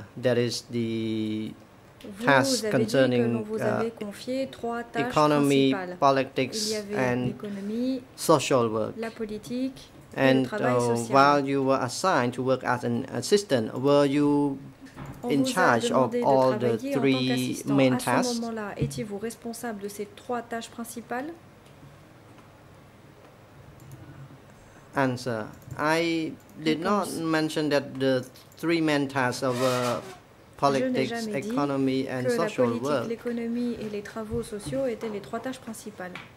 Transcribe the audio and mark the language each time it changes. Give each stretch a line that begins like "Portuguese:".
English: That is the task concerning economy, politics, and social work.
French: La politique,
English: and while you were assigned to work as an assistant, were you in charge of all the three main tasks?
French: Étiez-vous responsable de ces trois tâches principales?
English: Answer. I did not mention that the three main tasks of politics, economy, and social work.
French: L'économie et les travaux sociaux étaient les trois tâches principales.